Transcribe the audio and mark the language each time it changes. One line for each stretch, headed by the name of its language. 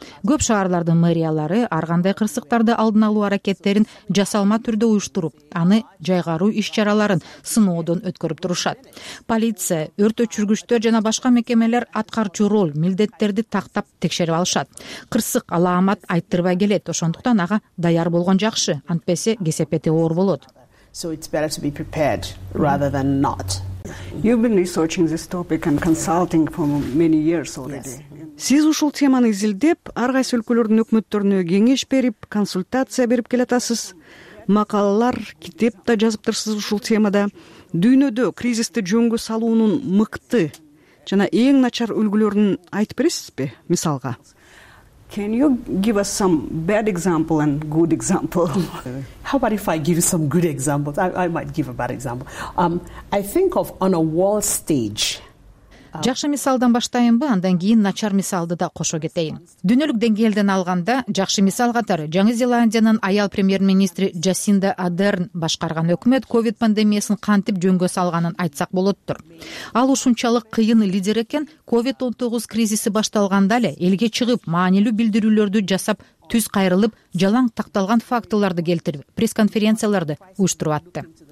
Kyrgyz: Көп шаарлардын мэриялары ар кандай кырсыктарды алдын алуу аракеттерин жасалма түрдө уюштуруп, аны жайгаруу иш чараларын сыноодон өткөрүп турушат. Полиция, өрт өчүргүчтөр жана башка мекемелер аткарчу рол, милдеттерди тактап текшерип алышат. Кырсык алаамат айттырбай келет, ошондуктан ага даяр болгон жакшы, антпесе кесепети оор болот.
English: So it's better to be prepared rather than not. You've been researching this topic and consulting for many years already. Yes.
Kyrgyz: Сиз ушул теманы изилдеп, ар кайсы өлкөлөрдүн өкмөттөрүнө кеңеш берип, консультация берип келатасыз. Макалалар, китеп да жазыптырсыз ушул темада. Дүйнөдө кризисти жөнгө салуунун мыкты жана эң начар үлгүлөрүн айтып бересизби? Мисалга.
English: Can you give us some bad example and good example? How about if I give you some good examples? I might give a bad example. I think of on a world stage.
Kyrgyz: Жакшы мисалдан баштайынбы, андан кийин начар мисалды да кошо кетейин. Дүйнөлүк деңгээлден алганда, жакшы мисал катары Жаңы Зеландиянын аял премьер-министри Жасинда Адерн башкарган өкмөт COVID пандемиясын кантип жөнгө салганын айтсак болоттур. Ал ушунчалык кыйын лидер экен, COVID-19 кризиси башталганда эле элге чыгып, маанилүү билдирүүлөрдү жасап, түз кайрылып, жалаң такталган фактыларды келтирип, пресс-конференцияларды уюштуруп атты.